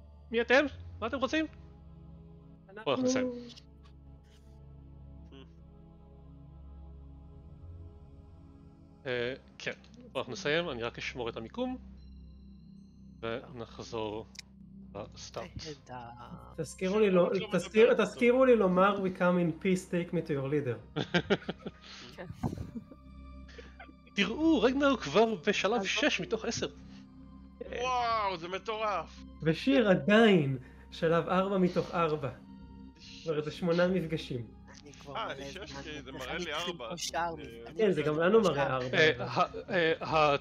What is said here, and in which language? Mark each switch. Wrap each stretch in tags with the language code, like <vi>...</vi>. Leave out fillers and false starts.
<he>מי אתם? מה אתם רוצים? בואו אנחנו נסיים. כן, בואו אנחנו נסיים, אני רק אשמור את המיקום ונחזור לסטארט. תזכירו לי לומר</he> <en>we come in peace, take me to your leader.</en> <he>תראו, רגנר הוא כבר בשלב 6 מתוך 10. וואו, זה מטורף. ושיר עדיין שלב 4 מתוך 4. כבר איזה 8 מפגשים. אני 6, זה מראה לי 4. כן, זה גם לנו מראה 4.</he>